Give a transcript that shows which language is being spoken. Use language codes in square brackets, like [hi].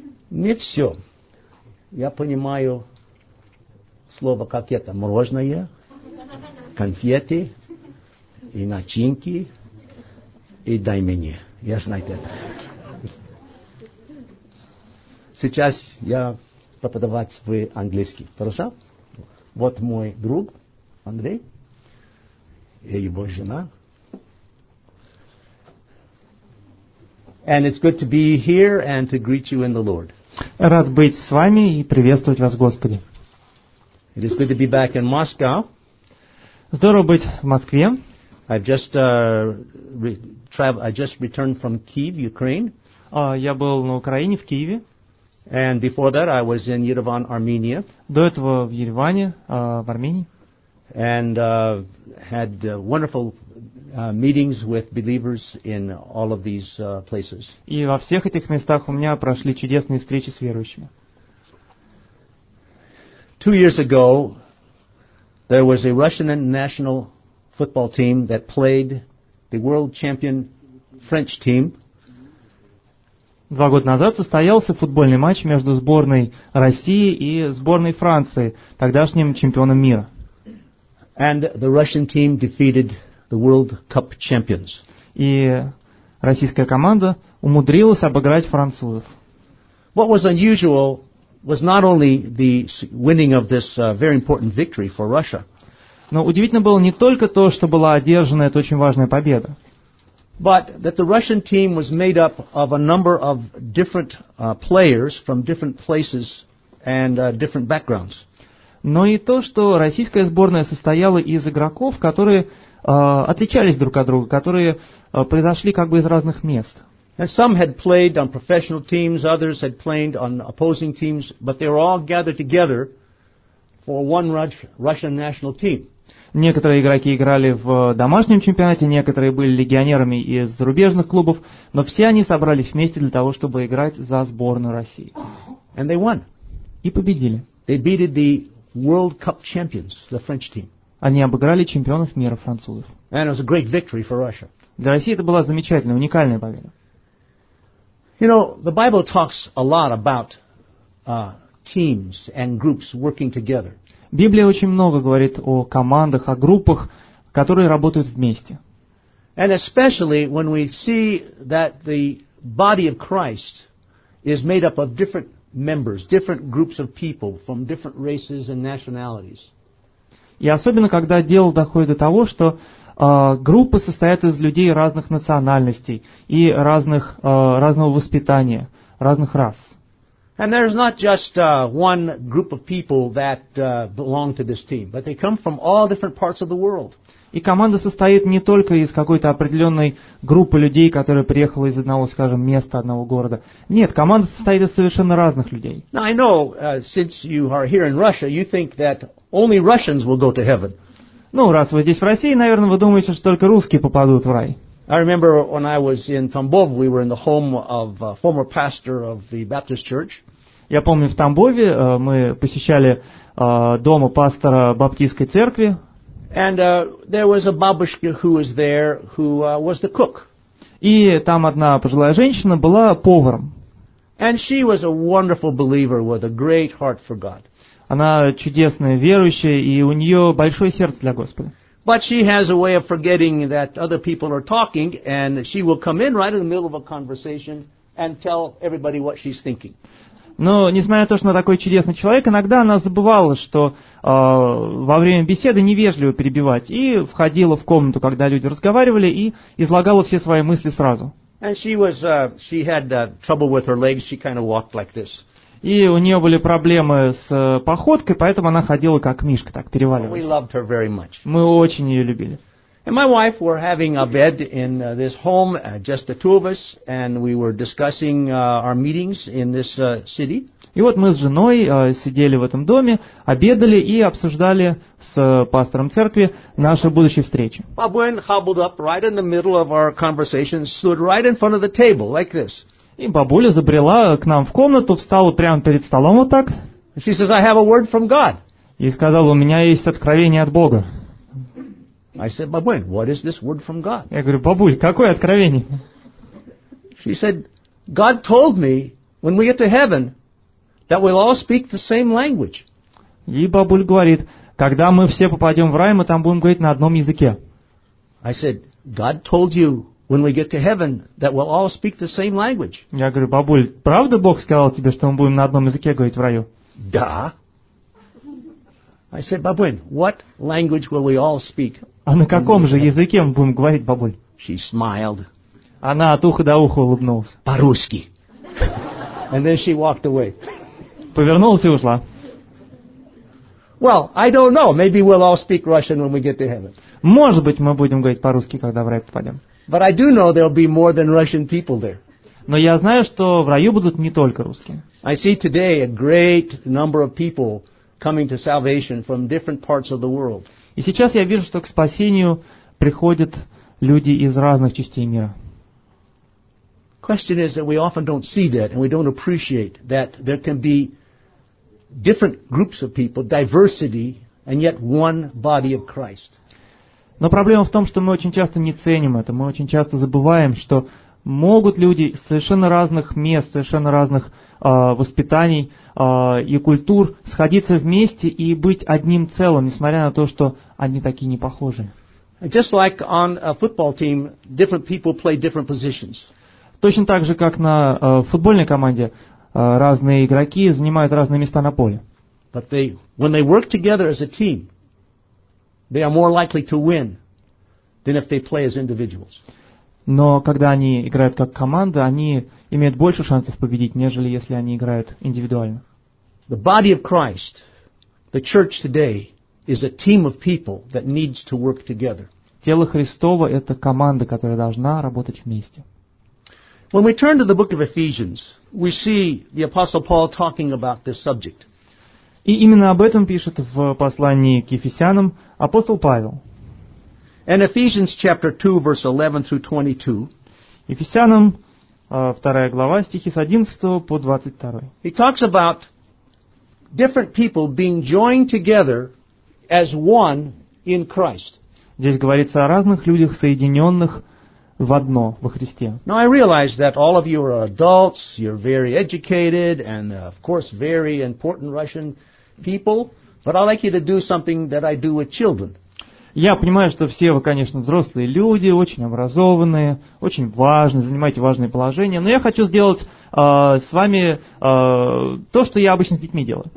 [ru] Не все. Я понимаю слово, как это, мороженое, конфеты и начинки, и дай мне. Я знаю это. Сейчас я преподавать в английский. Хорошо? Вот мой друг Андрей и его жена. [en] And it's good to be here and to greet you in the Lord. [ru] Рад быть с вами и приветствовать вас, Господи. [en] It is good to be back in Moscow. [ru] Здорово быть в Москве. [en] I just returned from Kyiv, Ukraine. [ru] Я был на Украине, в Киеве. [en] And before that, I was in Yerevan, Armenia. [ru] До этого в Ереване, в Армении. [en] And had wonderful meetings with believers in all of these places. [ru] И во всех этих местах у меня прошли чудесные встречи с верующими. [en] 2 years ago, there was a Russian national football team that played the world champion French team. [ru] 2 года назад состоялся футбольный матч между сборной России и сборной Франции, тогдашним чемпионом мира. [en] And the Russian team defeated the World Cup champions. [ru] И российская команда умудрилась обыграть французов. [en] What was unusual was not only the winning of this very important victory for Russia. [ru] Но удивительно было не только то, что была одержана эта очень важная победа. [en] But that the Russian team was made up of a number of different players from different places and different backgrounds. [ru] Но и то, что российская сборная состояла из игроков, которые отличались друг от друга, которые произошли как бы из разных мест. [en] And some had played on professional teams, others had played on opposing teams, but they were all gathered together for one Russian national team. [ru] Некоторые игроки играли в домашнем чемпионате, некоторые были легионерами из зарубежных клубов, но все они собрались вместе для того, чтобы играть за сборную России. [en] And they won. [ru] И победили. [en] They beat the World Cup champions, the French team. [ru] Они обыграли чемпионов мира французов. [en] And it was a great victory for Russia. [ru] Для России это была замечательная, уникальная победа. [en] You know, the Bible talks a lot about teams and groups working together. [ru] Библия очень много говорит о командах, о группах, которые работают вместе. [en] And especially when we see that the body of Christ is made up of different members, different groups of people from different races and nationalities. [ru] И особенно, когда дело доходит до того, что группы состоят из людей разных национальностей и разных, разного воспитания, разных рас. [en] And there's not just one group of people that belong to this team, but they come from all different parts of the world. [ru] И команда состоит не только из какой-то определенной группы людей, которая приехала из одного, скажем, места, одного города. Нет, команда состоит из совершенно разных людей. [en] Now I know, since you are here in Russia, you think that only Russians will go to heaven. [ru] Ну, раз вы здесь в России, наверное, вы думаете, что только русские попадут в рай. [en] I remember when I was in Tambov, we were in the home of a former pastor of the Baptist Church. [ru] Я помню, в Тамбове мы посещали дома пастора баптистской церкви. [en] And there was a бабушка who was there, who was the cook. [ru] И там одна пожилая женщина была поваром. [en] And she was a wonderful believer with a great heart for God. [ru] Она чудесная верующая, и у нее большое сердце для Господа. [en] But she has a way of forgetting that other people are talking, and she will come in right in the middle of a conversation and tell everybody what she's thinking. [ru] Но несмотря на то, что она такой чудесный человек, иногда она забывала, что во время беседы невежливо перебивать, и входила в комнату, когда люди разговаривали, и излагала все свои мысли сразу. [en] And she had trouble with her legs. She kind of walked like this. [ru] и у нее были проблемы с походкой, поэтому она ходила как мишка, так переваливалась. Мы очень ее любили. [en] And my wife were having a bed in this home, just the two of us, and we were discussing our meetings in this city. [ru] И вот мы с женой сидели в этом доме, обедали и обсуждали с пастором церкви наши будущие встречи. [en] Бабуэн hobbled up right in the middle of our conversation, stood right in front of the table, like this. [ru] И бабуля забрела к нам в комнату, встала прямо перед столом вот так. [en] She says, I have a word from God. [ru] И сказала, у меня есть откровение от Бога. [en] I said, Бабуэн, what is this word from God? [ru] Я говорю, бабуль, какое откровение? [en] She said, God told me, when we get to heaven, that we'll all speak the same language. [ru] И бабуль говорит, когда мы все попадем в рай, мы там будем говорить на одном языке. [en] I said, God told you, when we get to heaven, that we'll all speak the same language. [ru] Я говорю, бабуль, правда Бог сказал тебе, что мы будем на одном языке говорить в раю? Да. [en] I said, Бабуэн, what language will we all speak? [ru] А на каком же языке мы будем говорить, бабуль? [en] She smiled. [ru] Она от уха до уха улыбнулась. По-русски. [en] And then she walked away. [ru] Повернулась и ушла. [en] Well, I don't know. Maybe we'll all speak Russian when we get to heaven. [ru] Может быть, мы будем говорить по-русски, когда в рай попадем. [en] But I do know there'll be more than Russian people there. [ru] Но я знаю, что в раю будут не только русские. [en] I see today a great number of people coming to salvation from different parts of the world. [ru] И сейчас я вижу, что к спасению приходят люди из разных частей мира. [en] Question is that we often don't see that and we don't appreciate that there can be different groups of people, diversity, and yet one body of Christ. [ru] Но проблема в том, что мы очень часто не ценим это. Мы очень часто забываем, что могут люди из совершенно разных мест, совершенно разных воспитаний и культур сходиться вместе и быть одним целым, несмотря на то, что они такие непохожие. [en] Just like on a football team, different people play different positions. [ru] Точно так же, как на футбольной команде, разные игроки занимают разные места на поле. [en] But they, when they work together as a team, they are more likely to win than if they play as individuals. [ru] Но когда они играют как команда, они имеют больше шансов победить, нежели если они играют индивидуально. [en] The body of Christ, the church today, is a team of people that needs to work together. [ru] Тело Христово – это команда, которая должна работать вместе. [en] When we turn to the book of Ephesians, we see the apostle Paul talking about this subject. [ru] И именно об этом пишет в послании к Ефесянам апостол Павел. [en] In Ephesians chapter 2, verse 11 through 22. [ru] Ефесянам, 2 глава, стихи с 11 по 22. [en] He talks about different people being joined together as one in Christ. [ru] Здесь говорится о разных людях, соединенных в одно, во Христе. [en] Now I realize that all of you are adults, you're very educated, and of course very important Russian people, but I'd like you to do something that I do with children. [ru] Я понимаю, что все вы, конечно, взрослые люди, очень образованные, очень важные, занимаете важные положения, но я хочу сделать с вами то, что я обычно с детьми делаю.